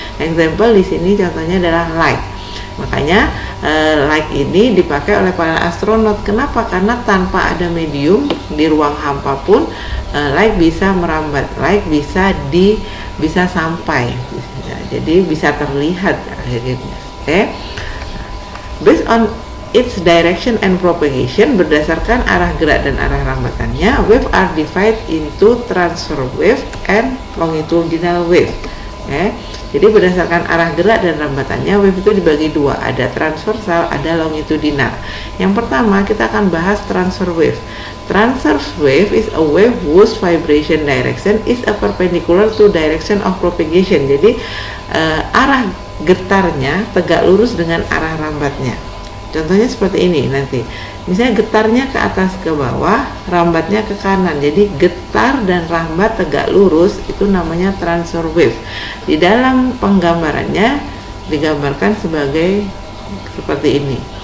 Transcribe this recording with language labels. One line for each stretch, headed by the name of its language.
Indonesian: Example di sini contohnya adalah light. Makanya light ini dipakai oleh para astronot. Kenapa? Karena tanpa ada medium di ruang hampa pun light bisa merambat. Light bisa bisa sampai. Ya, jadi bisa terlihat akhirnya. Oke.
English: Based on its direction and propagation,
Indonesian: berdasarkan arah gerak dan arah rambatannya,
English: wave are divided into transfer wave and longitudinal wave. Okay.
Indonesian: Jadi berdasarkan arah gerak dan rambatannya, wave itu dibagi dua, ada transversal, ada longitudinal. Yang pertama, kita akan bahas transfer wave.
English: Transfer wave is a wave whose vibration direction is a perpendicular to direction of propagation.
Indonesian: Jadi arah getarnya tegak lurus dengan arah rambatnya. Contohnya seperti ini nanti. Misalnya getarnya ke atas ke bawah, rambatnya ke kanan. Jadi getar dan rambat tegak lurus itu namanya transfer wave. Di dalam penggambarannya digambarkan sebagai seperti ini.